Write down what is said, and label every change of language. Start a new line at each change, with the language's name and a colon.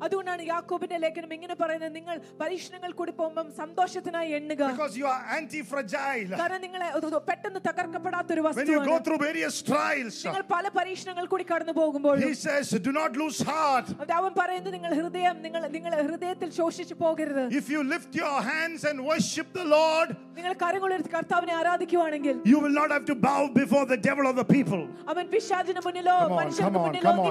Malayalam: അതുകൊണ്ടാണ് യാക്കോബിന്റെ ലേഖനം ഇങ്ങനെ പറയുന്നത്, നിങ്ങൾ പരീക്ഷണങ്ങൾ കൂടിപ്പോകുമ്പോൾ സന്തോഷത്തിനായി എണ്ണുക.
English: Because you are antifragile.
Malayalam: കാരണം നിങ്ങൾ പെട്ടെന്ന് തകർക്കപ്പെടാത്ത ഒരു വസ്തുവാണ്.
English: When you go through various trials.
Malayalam: നിങ്ങൾ പല പരീക്ഷണങ്ങൾ കൂടി കടന്നു പോകുമ്പോൾ.
English: He says, do not lose heart.
Malayalam: അവൻ പറയുന്നു, നിങ്ങൾ ഹൃദയത്തിൽ ശോഷിച്ചു പോകരുത്.
English: If you lift your hands and worship the Lord.
Malayalam: നിങ്ങൾ കരങ്ങളിൽ കർത്താവിനെ ആരാധിക്കുകയാണെങ്കിൽ.
English: You will not have to bow before the devil or the people.
Malayalam: അവൻ പിശാചിന് മുന്നിലോ മനുഷ്യർക്ക് മുന്നിലോ